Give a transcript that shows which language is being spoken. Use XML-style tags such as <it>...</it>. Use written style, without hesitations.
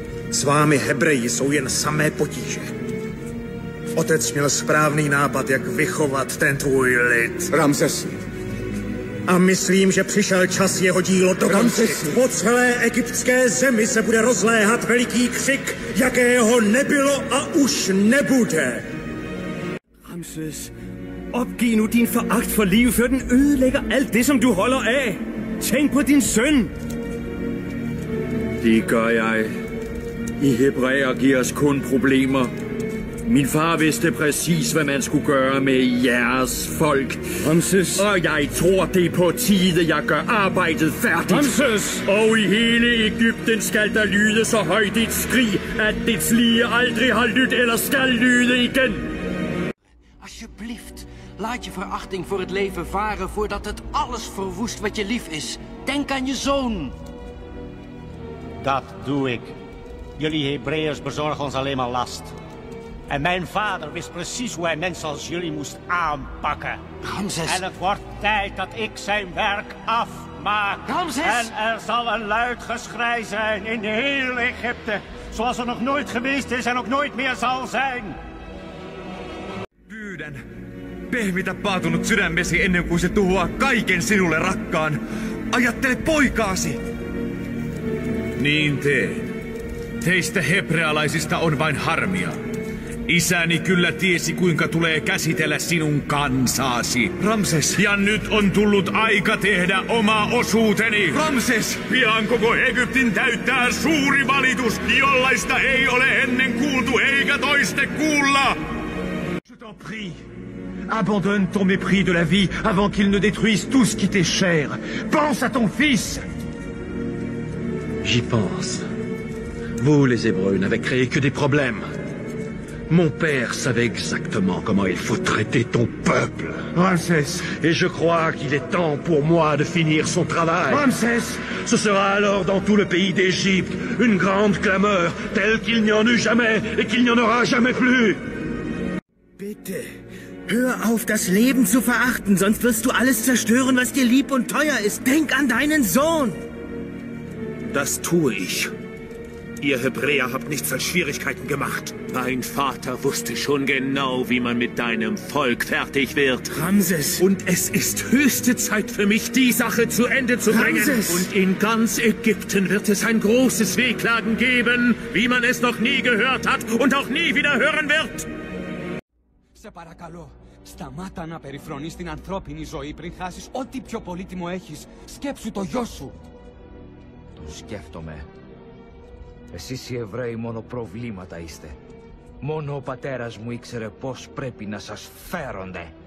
<cs>S vámi Hebreji jsou jen samé potíže. Otec měl správný nápad, jak vychovat ten tvůj lid. Ramsesi. A myslím, že přišel čas jeho dílo dokončit. Po celé egyptské zemi se bude rozléhat veliký křik, jakého nebylo a už nebude. Ramses.</cs> <da>Opgiv nu din foragt for livet, før den ødelægger alt det, som du holder af. Tænk på din søn. Det gør jeg. I Hebræer giver os kun problemer. Min far vidste præcis, hvad man skulle gøre med jeres folk. Ramses. Og jeg tror, det er på tide, jeg gør arbejdet færdigt. Ramses. Og i hele Egypten skal der lyde så højt et skrig, at dets lige aldrig har lyttet eller skal lyde igen.</da> <nl>Alsjeblieft. Laat je verachting voor het leven varen voordat het alles verwoest wat je lief is. Denk aan je zoon. Dat doe ik. Jullie Hebreërs bezorgen ons alleen maar last. En mijn vader wist precies hoe hij mensen als jullie moest aanpakken. Ramses. En het wordt tijd dat ik zijn werk afmaak. Ramses. En er zal een luid geschrei zijn in heel Egypte. Zoals er nog nooit geweest is en ook nooit meer zal zijn.</nl> <fi>Pyydän. Pehmitä paatunut sydämesi ennen kuin se tuhoaa kaiken sinulle rakkaan. Ajattele poikaasi! Niin teen. Teistä hebrealaisista on vain harmia. Isäni kyllä tiesi, kuinka tulee käsitellä sinun kansaasi. Ramses! Ja nyt on tullut aika tehdä oma osuuteni! Ramses! Pian koko Egyptin täyttää suuri valitus, jollaista ei ole ennen kuultu eikä toiste kuulla!</fi> <fr>Je t'en prie. Abandonne ton mépris de la vie avant qu'il ne détruise tout ce qui t'est cher. Pense à ton fils. J'y pense. Vous, les Hébreux, n'avez créé que des problèmes. Mon père savait exactement comment il faut traiter ton peuple. Rameses. Et je crois qu'il est temps pour moi de finir son travail. Rameses. Ce sera alors dans tout le pays d'Égypte une grande clameur telle qu'il n'y en eut jamais et qu'il n'y en aura jamais plus.</fr> <de>Bitte, hör auf, das Leben zu verachten, sonst wirst du alles zerstören, was dir lieb und teuer ist. Denk an deinen Sohn. Das tue ich. Ihr Hebräer habt nichts als Schwierigkeiten gemacht. Mein Vater wusste schon genau, wie man mit deinem Volk fertig wird. Rameses! Und es ist höchste Zeit für mich, die Sache zu Ende zu bringen. Rameses! Und in ganz Ägypten wird es ein großes Wehklagen geben, wie man es noch nie gehört hat und auch nie wieder hören wird.</de> <el>Σε παρακαλώ, σταμάτα να περιφρονείς την ανθρώπινη ζωή πριν χάσεις ό,τι πιο πολύτιμο έχεις. Σκέψου το γιο σου. Το σκέφτομαι. Εσείς οι Εβραίοι μόνο προβλήματα είστε. Μόνο ο πατέρας μου ήξερε πώς πρέπει να σας φέρονται.</el>